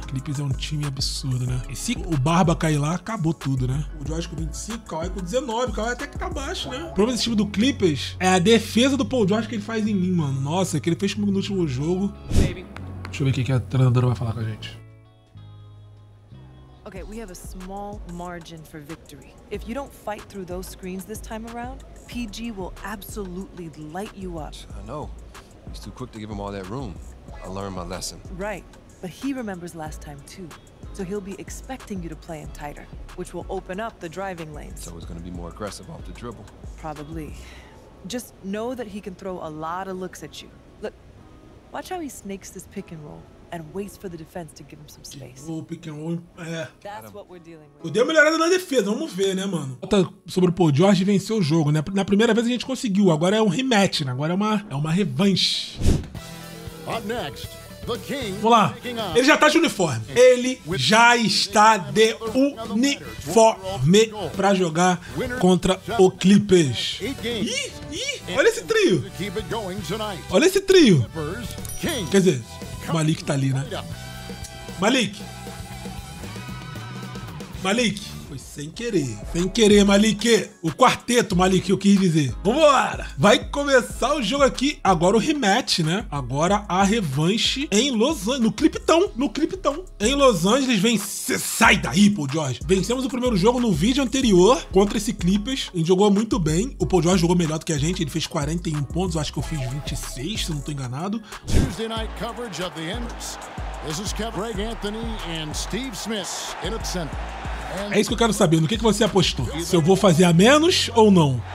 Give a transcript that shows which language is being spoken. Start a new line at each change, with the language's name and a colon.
Portuguese: Clippers é um time absurdo, né? E se o Barba cair lá, acabou tudo, né? O George com 25, o Kawhi com 19. O Kawhi até que tá baixo, né? O problema desse time do Clippers é a defesa do Paul George que ele faz em mim, mano. Nossa, que ele fez comigo no último jogo. Baby. Deixa eu ver o que a treinadora vai falar com a gente.
English: Ok, we have a small margin for victory. If you don't fight through those screens this time around, PG will absolutely light you up. I know. He's too quick to give him all that room. I learned my lesson. Right, but he remembers last time too. So he'll be expecting you to play him tighter, which will open up the driving lanes. So he's going to be more aggressive off the dribble. Probably. Just know that he can throw a lot of looks at you. Look, watch how he snakes this pick and roll. and waits for the defense to give him some space.
Portuguese: O pick and roll, é.
English: That's what we're dealing with.
Portuguese: Eu dei uma melhorada na defesa, vamos ver, né, mano? Outra sobre o Paul George venceu o jogo, né? Na primeira vez a gente conseguiu, agora é um rematch, né? Agora é uma revanche.
English: Up next.
Portuguese: Vamos lá, ele já tá de uniforme. Ele já está de uniforme pra jogar contra o Clippers. Olha esse trio. Olha esse trio. Quer dizer, o Malik tá ali, né? Malik. Foi sem querer. Sem querer, Malik. O quarteto, Malik, eu quis dizer. Vambora! Vai começar o jogo aqui. Agora o rematch, né? Agora a revanche em Los Angeles. No Clipton. Em Los Angeles, sai daí, Paul George. Vencemos o primeiro jogo no vídeo anterior contra esse Clippers. A gente jogou muito bem. O Paul George jogou melhor do que a gente. Ele fez 41 pontos. Eu acho que eu fiz 26, se não tô enganado.
English: Tuesday night coverage of the Hornets. This is Greg Anthony and Steve Smith in at center.
Portuguese: É isso que eu quero saber. No que você apostou? Se eu vou fazer a menos ou não?